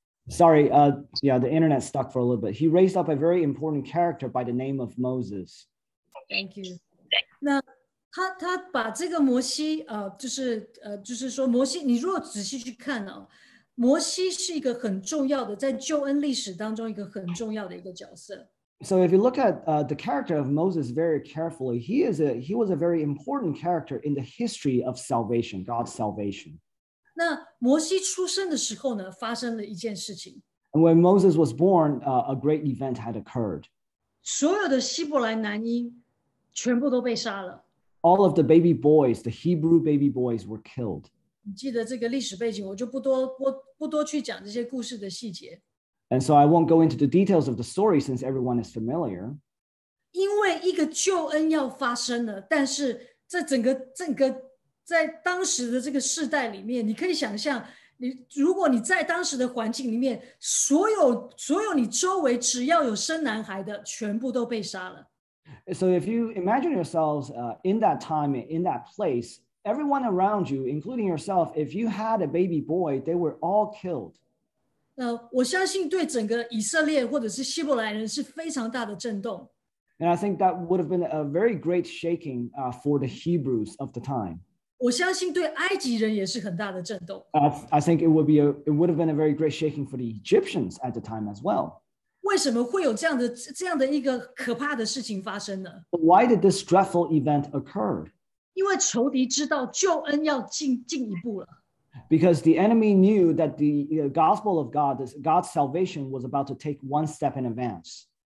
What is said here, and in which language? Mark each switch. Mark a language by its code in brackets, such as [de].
[en] Sorry, yeah, the internet stuck for a little bit. He raised up a very important character by the name of Moses. Thank you. [zh] 那他把这个摩西，就是说摩西，你如果仔细去看哦，摩西是一个很重要的，在救恩历史当中一个很重要的一个角色。 [en] So if you look at the character of Moses very carefully, he was a very important character in the history of salvation, God's salvation. [zh] 那摩西出生的时候呢，发生了一件事情。 [en] And when Moses was born, a great event had occurred. [zh] 所有的希伯来男婴全部都被杀了。 [en] All of the baby boys, the Hebrew baby boys were killed. [zh] 你记得这个历史背景，我就不多去讲这些故事的细节。 [en] And so I won't go into the details of the story since everyone is familiar. [zh] 因为一个救恩要发生了，但是这整个在当时的这个世代里面，你可以想象，你如果你在当时的环境里面，所有你周围只要有生男孩的，全部都被杀了。 [en] So if you imagine yourselves in that time, in that place, everyone around you, including yourself, if you had a baby boy, they were all killed. [zh] 我相信对整个以色列或者是希伯来人是非常大的震动。 [en] And I think that would have been a very great shaking for the Hebrews of the time. [zh] 我相信对埃及人也是很大的震动。 [en] I think it would have been a very great shaking for the Egyptians at the time as well. [zh] 为什么会有这样的一个可怕的事情发生呢？ [en] Why did this dreadful event occur? [zh] 因为仇敌知道救恩要进一步了。 [en] Because the enemy knew that the gospel of God, God's salvation, was about to take one step in advance.